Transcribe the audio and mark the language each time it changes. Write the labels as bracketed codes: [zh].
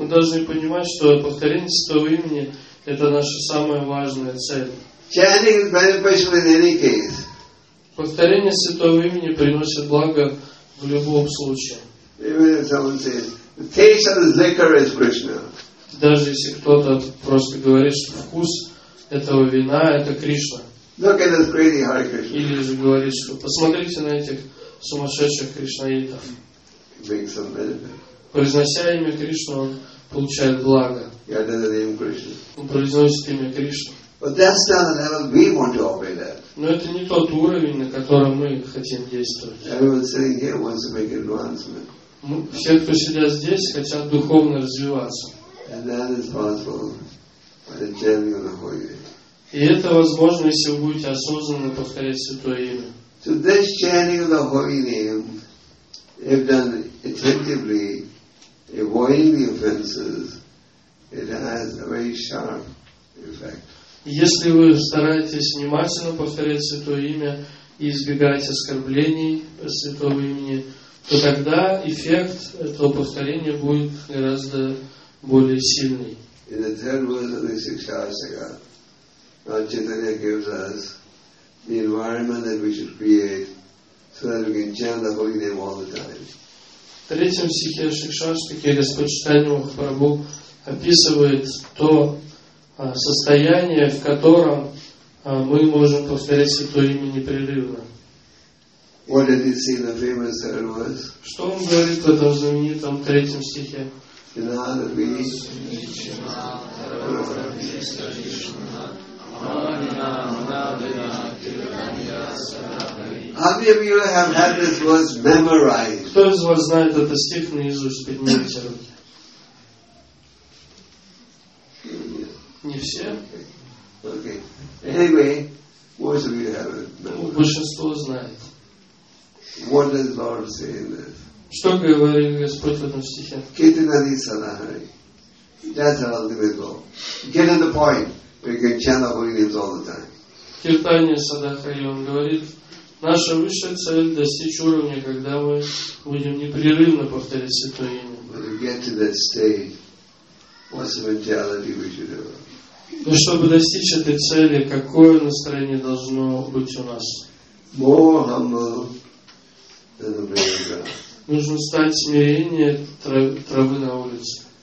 [ru] Мы должны понимать, что повторение святого имени это наша самая важная цель. [en] Chanting is beneficial in any case. [ru] Повторение святого имени приносит благо в любом случае. [en] Even if someone says, the taste of this liquor is Krishna. [ru] Даже если кто-то просто говорит, что вкус этого вина это Кришна. [en] Look at this crazy Hare Krishna. [ru] Или же говорит, что посмотрите на этих сумасшедших кришнаитов. [en] Make some benefit. [ru] Произнося имя Кришна, он получает благо. [en] Yeah, that's the name Krishna. [ru] Он произносит имя Кришна. [en] But that's not the level we want to operate at. [ru] Но это не тот уровень, на котором мы хотим действовать. [en] Everyone sitting here wants to make advancement. [ru] Все, кто сидят здесь, хотят духовно развиваться. И это возможно, если вы будете осознанно повторять святое имя. [en] So this chanting of the holy name, if done attentively, avoiding the offenses, it has a very sharp effect. [ru] Если вы стараетесь внимательно повторять святое имя и избегать оскорблений святого имени, то тогда эффект этого повторения будет гораздо более сильный. В третьем стихе Шикшаштаке Господь Чайтанья Махапрабху описывает то состояние, в котором мы можем повторять Святое Имя непрерывно. [en] What did he say in the famous third verse? [ru] Что он говорит в этом знаменитом третьем стихе? [en] How many of you have had this verse memorized? [ru] Кто из вас знает этот стих наизусть? Поднимите руки. Не все. [en] Okay. Anyway, most of you have it memorized. [ru] Большинство знает. [en] What does Lord say in this? [ru] Что говорит Господь в этом стихе? [en] Кетинадисанахари. That's the ultimate goal. Get to the point where you can chant our holy names all the time. [ru] Киртания Садахари, он говорит, наша высшая цель достичь уровня, когда мы будем непрерывно повторять Святое Имя. [en] When you get to that state, what's the mentality we should have? [ru] Но чтобы достичь этой цели, какое настроение должно быть у нас? [en] More humble than the prayer of God. [ru] Нужно стать смиреннее травы на улице.